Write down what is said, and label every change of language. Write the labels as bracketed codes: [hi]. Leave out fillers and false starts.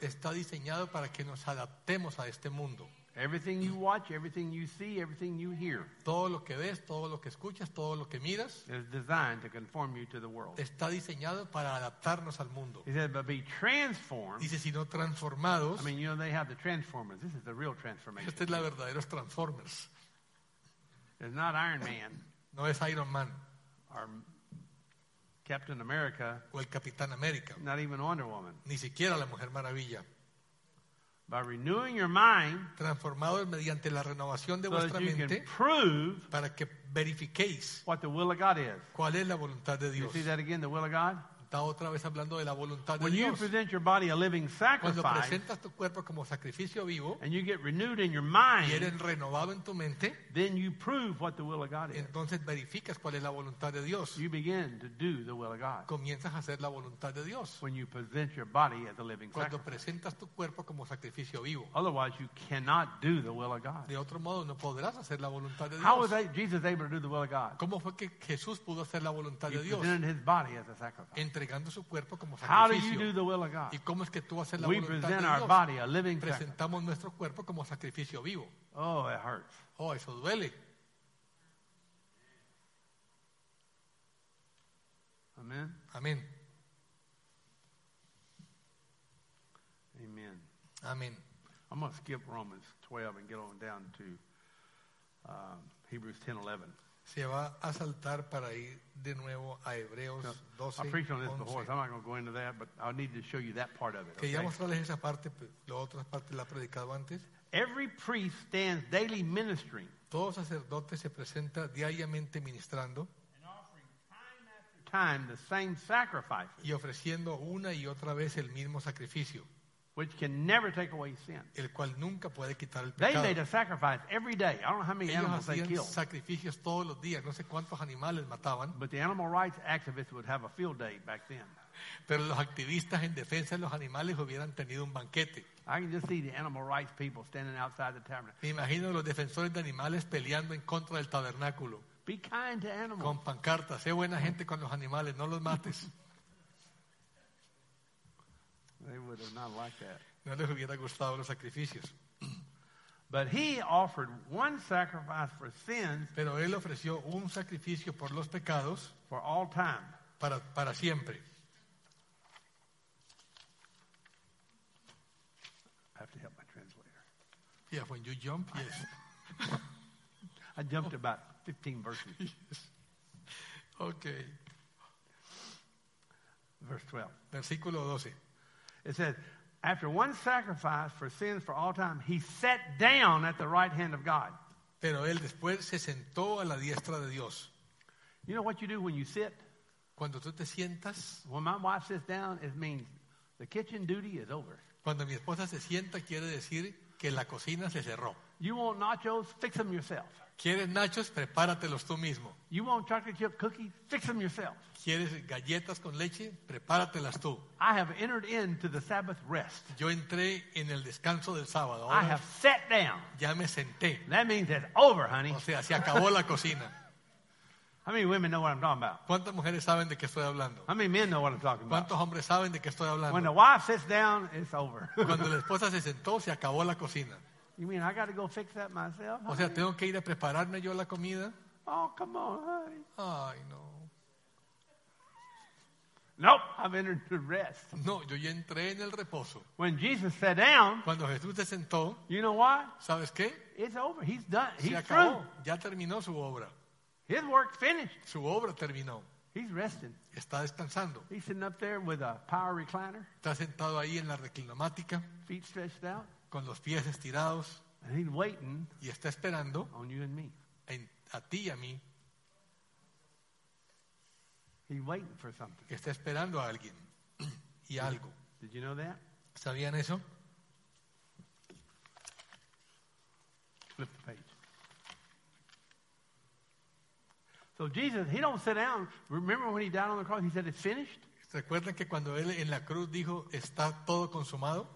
[es] Está diseñado para que nos adaptemos a este mundo. [en] Everything you watch, everything you see, everything you hear. [es] Todo lo que ves, todo lo que escuchas, todo lo que miras. [en] Is designed to conform you to the world. [es] Está diseñado para adaptarnos al mundo. [en] He said, but be transformed. [es] Dice, sino transformados. [en] I mean, you know, they have the Transformers. This is the real transformation. [es] Esta es la verdaderos Transformers. [en] It's not Iron Man. [es] No es Iron Man. [en] Or Captain America. [es] O el Capitán América. [en] Not even Wonder Woman. [es] Ni siquiera la Mujer Maravilla. [en] By renewing your mind, [es] transformados mediante la renovación de [en] so [es] vuestra mente, [en] prove [es] para que verifiquéis [en] what the will of God is. [es] Cuál es la voluntad de Dios. [en] You see that again, the will of God? [es] Está otra vez hablando de la voluntad [en] when [es] de [en] you [es] Dios. [en] Present your body a living sacrifice, [es] cuando presentas tu cuerpo como sacrificio vivo [en] and you get renewed in your mind, [es] y eres renovado en tu mente, [en] then you prove what the will of God is. [es] Entonces verificas cuál es la voluntad de Dios. [en] You begin to do the will of God. [es] Comienzas a hacer la voluntad de Dios [en] when you present your body as a living [es] cuando [en] sacrifice. [es] Presentas tu cuerpo como sacrificio vivo. [en] Otherwise, you cannot do the will of God. [es] De otro modo, no podrás hacer la voluntad de Dios. [en] How was Jesus able to do the will of God? [es] ¿Cómo fue que Jesús pudo hacer la voluntad [en] he [es] de Dios? [en] Presented his body as a sacrifice. [es] Entregando su cuerpo como sacrificio. [en] How do you do the will of God? [es] ¿Y cómo es que tú haces la [en] we [es] voluntad de Dios? [en] Our body a living [es] presentamos [en] sacrifice. [es] Nuestro cuerpo como sacrificio vivo. [en] Oh, it hurts. [es] Oh, eso duele. [en] Amen. [es] Amen. [en] Amen. [es] Amen. [en] I'm going to skip Romans 12 and get on down to Hebrews 10:11. [es] Se va a saltar para ir de nuevo a Hebreos 12, 11. [en] I preached on this before, so I'm not going to go into that, but I need to show you that part of it. [es] Quería mostrarles esa parte, la otra parte la he predicado antes. [en] Every priest stands daily ministering. [es] Todo sacerdote se presenta diariamente ministrando. [en] And offering time after time the same sacrifices. [es] Y ofreciendo una y otra vez el mismo sacrificio. [en] Which can never take away sin. [es] El cual nunca puede quitar el pecado. [en] They made a sacrifice every day. I don't know how many [es] ellos [en] animals they killed. [es] Sacrificios todos los días. No sé cuántos animales mataban. [en] But the animal rights activists would have a field day back then. [es] Pero los activistas en defensa de los animales hubieran tenido un banquete. [en] I can just see the animal rights people standing outside the tabernacle. [es] Me imagino los defensores de animales peleando en contra del tabernáculo. [en] Be kind to animals. [es] Con pancartas. Sé buena gente con los animales. No los mates. [en] They would have not liked that. [es] No les hubiera gustado los sacrificios. [en] But he offered one sacrifice for sins. [es] Pero él ofreció un sacrificio por los pecados. [en] For all time. [es] Para siempre. [en] I have to help my translator. Yeah, when you jump, yes. I jumped about 15 verses. Yes. Okay. Verse 12. [es] Versículo 12. [en] It says, after one sacrifice for sins for all time, he sat down at the right hand of God. [es] Pero él después se sentó a la diestra de Dios. [en] You know what you do when you sit? [es] Cuando tú te sientas. [en] When my wife sits down, it means the kitchen duty is over. [es] Cuando mi esposa se sienta, quiere decir que la cocina se cerró. [en] You want nachos? Fix them yourself. [es] ¿Quieres nachos? Prepáratelos tú mismo. [en] You want chocolate chip cookies? Fix them yourself. [es] ¿Quieres galletas con leche? Prepáratelas tú. [en] I have entered into the Sabbath rest. [es] Yo entré en el descanso del sábado. Ahora, [en] I have sat down. [es] Ya me senté. [en] That means it's over, honey. [es] O sea, se acabó la cocina. [en] How many women know what I'm talking about? [es] ¿Cuántas mujeres saben de qué estoy hablando? [en] How many men know what I'm talking about? [es] ¿Cuántos hombres saben de qué estoy hablando? [en] When the wife sits down, it's over. [es] Cuando la esposa se sentó, se acabó la cocina. [en] You mean I got to go fix that myself? [es] O sea, tengo que ir a prepararme yo la comida. [en] Oh, come on, honey. [es] Ay, no. [en] Nope, I've entered to rest. [es] No, yo ya entré en el reposo. [en] When Jesus sat down, [es] cuando Jesús se sentó, [en] you know why? [es] ¿Sabes qué? [en] It's over. He's done. [es] Se [en] He's [es] acabó. [en] Through. [es] Ya terminó su obra. [en] His work finished. [es] Su obra terminó. [en] He's resting. [es] Está descansando. [en] He's sitting up there with a power recliner. [es] Está sentado ahí en la reclinomática. [en] Feet stretched out. [es] Con los pies estirados. [en] And he's waiting. [es] Y está esperando. [en] On you and me. [es] En, a ti y a mí. [en] He's waiting for something. [es] Está esperando a alguien y algo. [en] Did you know that? [es] ¿Sabían eso? [en] Flip the page. So Jesus, he don't sit down. Remember when he died on the cross, he said it's finished? [es] ¿Recuerdan que cuando él en la cruz dijo, está todo consumado?